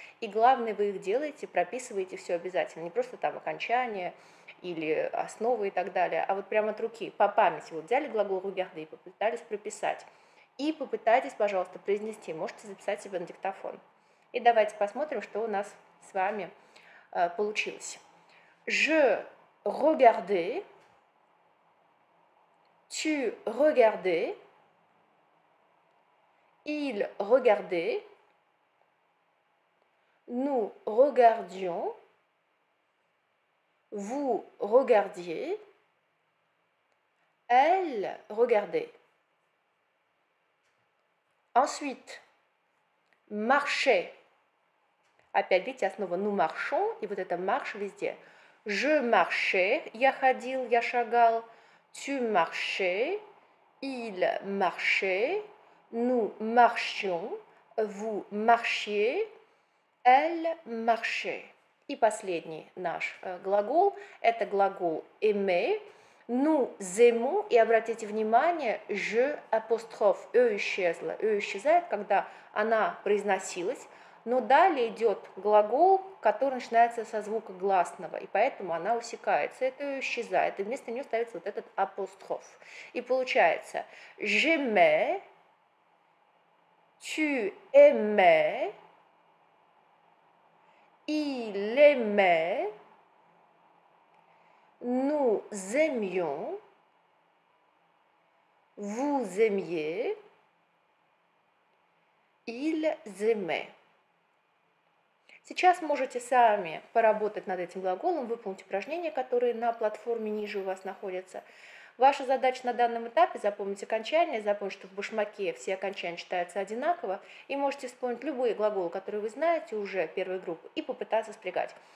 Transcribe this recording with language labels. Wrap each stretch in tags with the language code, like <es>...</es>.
<ru>И главное, вы их делаете, прописываете все обязательно, не просто там окончание или основы и так далее, а вот прямо от руки, по памяти. Вот взяли глагол «regarder» и попытались прописать. И попытайтесь, пожалуйста, произнести, можете записать себе на диктофон. И давайте посмотрим, что у нас с вами получилось.</ru> <fr>«Je regardais». Tu regardais, il regardait, nous regardions, vous regardiez, elle regardait. Ensuite, marchait.</fr> <ru>Опять, видите, основа</ru> <fr>«nous marchons»</fr> <ru>и вот это «marche» везде.</ru> <fr>Je marchais,</fr> <ru>я ходил, я шагал.</ru> <fr>Tu marchais, il marchait, nous marchions, vous marchiez, elle marchait.</fr> <ru>И последний наш глагол, это глагол aimer.</ru> <fr>Nous aimons,</fr> <ru>и обратите внимание, je apostrophe, e исчезла, e исчезает, когда она произносилась. Но далее идет глагол, который начинается со звука гласного, и поэтому она усекается, это исчезает, и вместо нее ставится вот этот апостроф. И получается</ru> <fr>«j'aime», «tu aimais», «il aimait», «nous aimions», «vous aimiez», «ils aimaient».</fr> <ru>Сейчас можете сами поработать над этим глаголом, выполнить упражнения, которые на платформе ниже у вас находятся. Ваша задача на данном этапе – запомнить окончание, запомнить, что в башмаке все окончания читаются одинаково, и можете вспомнить любые глаголы, которые вы знаете уже первой группы, и попытаться спрягать.</ru>